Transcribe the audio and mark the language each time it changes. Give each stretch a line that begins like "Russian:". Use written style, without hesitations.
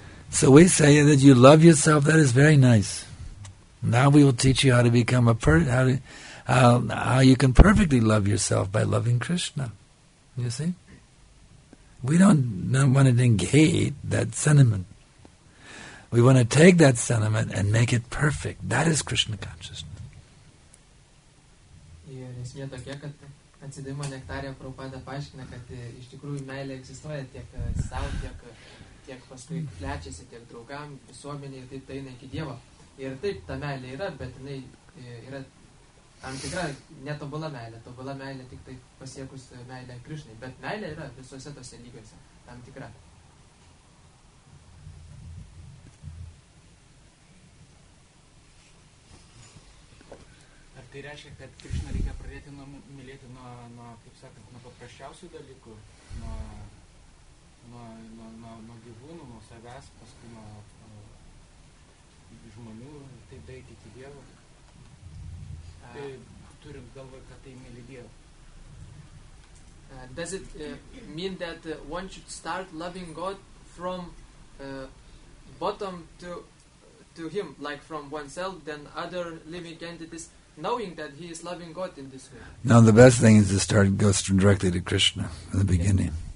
English: So we say that you love yourself, that is very nice. Now we will teach you how to become how you can perfectly love yourself by loving Krishna. You see? We don't want to negate that sentiment. We want to take that sentiment and make it perfect. That is Krishna consciousness.
Lithuanian: Ir esmė tokia, kad atsidimo nektarė Prabhupada paaiškina, kad iš tikrųjų meilė egzistuoja tiek sau, tiek paskui plečiasi, tiek draugam, visuomenė ir taip taina iki Dievo. Ir taip, ta meilė yra, bet jinai yra tam tikra netobula meilė. Tobula meilė tik tai pasiekus meilę Krišnai. Bet meilė yra visuose tose lygiuose, tam tikra. Tai reiškia, kad Krišną reikia pradėti nuo, mylėti nuo, kaip sakant, nuo paprasčiausių dalykų, nuo gyvūnų, nuo savęs, paskui nuo žmonių, taip daryti iki Dievo. Tai turim galvoje, kad tai myli Dievo.
English: Does it mean that one should start loving God from bottom to Him, like from oneself, then other living entities, knowing that he is loving God in this way? No, the best thing is to start go directly to Krishna in the beginning.